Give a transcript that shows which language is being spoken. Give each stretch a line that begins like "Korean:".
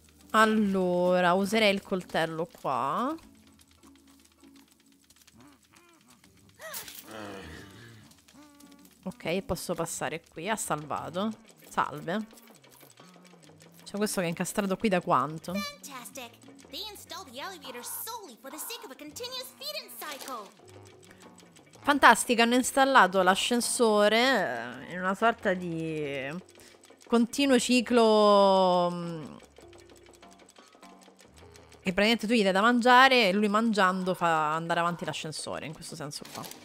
Italian: Allora, userei il coltello qua. Ok, posso passare qui. Ha salvato. Salve. C'è questo che è incastrato qui da quanto?
English: Fantastic. They installed the elevator solely for the sake of a continuous feeding cycle.
Italian: Fantastico, hanno installato l'ascensore in una sorta di continuo ciclo. E praticamente tu gli dai da mangiare e lui mangiando fa andare avanti l'ascensore, in questo senso qua.